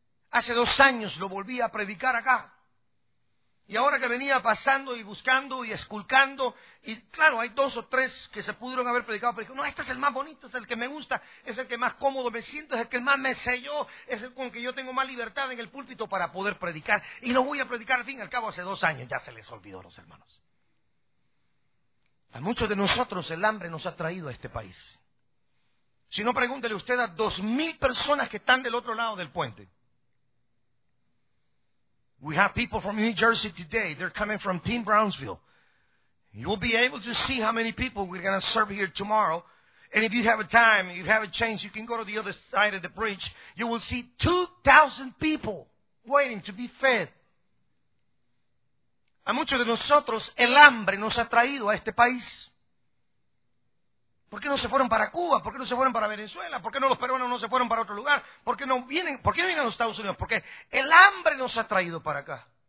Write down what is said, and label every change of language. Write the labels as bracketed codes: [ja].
[es] Hace 2 años lo volví a predicar acá. Y ahora que venía pasando y buscando y esculcando, y claro, hay 2 o 3 que se pudieron haber predicado, pero dije, no, este es el más bonito, es el que me gusta, es el que más cómodo me siento, es el que más me selló, es el con que yo tengo más libertad en el púlpito para poder predicar. Y lo voy a predicar al fin y al cabo hace 2 años, ya se les olvidó, los hermanos. A muchos de nosotros el hambre nos ha traído a este país. Si no, pregúntele usted a 2,000 personas que están del otro lado del puente. [en] We have people from New Jersey today. They're coming from Team Brownsville. You will be able to see how many people we're going to serve here tomorrow. And if you have a time, if you have a chance, you can go to the other side of the bridge. You will see 2,000 people waiting to be fed. [es] A muchos de nosotros, el hambre nos ha traído a este país. ¿Por qué no se fueron para Cuba? ¿Por qué no se fueron para Venezuela? ¿Por qué no los peruanos no se fueron para otro lugar? ¿Por qué no vienen a los Estados Unidos? Porque el hambre nos ha traído para acá.